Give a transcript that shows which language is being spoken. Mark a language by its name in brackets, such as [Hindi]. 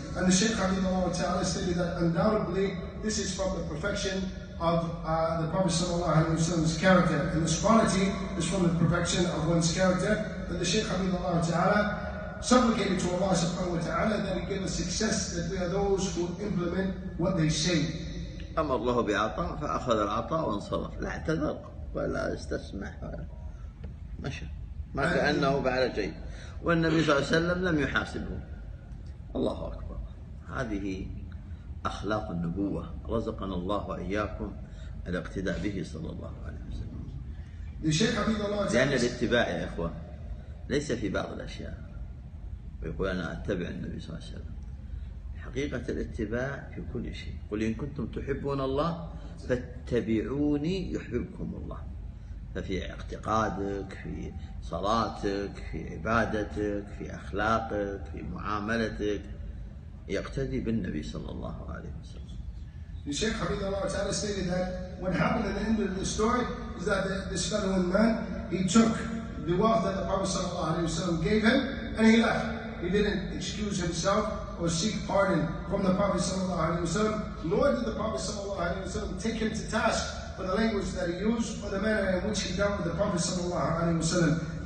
[English] And the Shaykh Habibullah Ta'ala stated that undoubtedly this is from the perfection of the Prophet sallallahu alaihi wasallam's character. And this quality is from the perfection of one's character. That the Shaykh Habibullah Ta'ala supplicated to Allah subhanahu wa ta'ala that he give us success, that we are those who implement what they say. [Arabic] أمر الله بعطاء فأخذ العطاء وانصرف لا اعتذر ولا استسمح مشى ما كأنه فعل شيء والنبي صلى الله عليه وسلم لم يحاسبه الله أكبر هذه أخلاق النبوة، رزقنا الله وإياكم الاقتداء به صلى الله عليه وسلم. الشيخ حفظه الله تعالى، لأن الاتباع يا إخوة ليس في بعض الأشياء ويقول أنا أتبع النبي صلى الله عليه وسلم، حقيقة الاتباع في كل شيء. قل إن كنتم تحبون الله فاتبعوني يحببكم الله، ففي اعتقادك، في صلاتك، في عبادتك، في أخلاقك، في معاملتك يقتدي بالنبي صلى الله عليه وسلم. [English] The Sheikh Habibullah Ta'ala stated that what happened at the end of the story is that this fellow man, he took the wealth that the Prophet Sallallahu Alaihi Wasallam gave him and he left. He didn't excuse himself or seek pardon from the Prophet Sallallahu Alaihi Wasallam, nor did the Prophet Sallallahu Alaihi Wasallam take him to task for the language that he used or the manner in which he dealt with the Prophet Sallallahu Alaihi Wasallam.